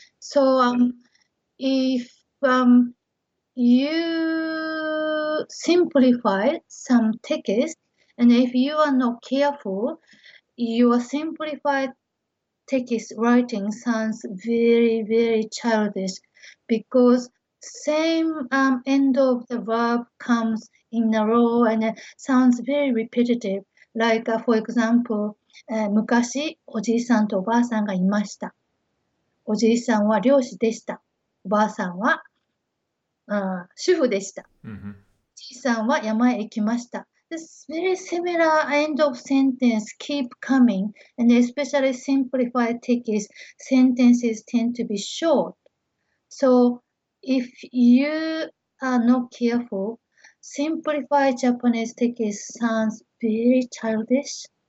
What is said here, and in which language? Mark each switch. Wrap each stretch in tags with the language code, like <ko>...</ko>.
<en>So if you simplify some text, and if you are not careful, your simplified text writing sounds very, very childish, because same end of the verb comes in a row and it sounds very repetitive. Like for example,</en> <ja>昔、おじいさんとおばあさんがいました。おじいさんは漁師でした。おばあさんは、主婦でした。 Mm-hmm. おじいさんは山へ行きました。</ja> <en>This very similar end of sentence keep coming, and especially simplified tickets, sentences tend to be short. So, if you are not careful, simplified Japanese tickets sounds very childish.</en>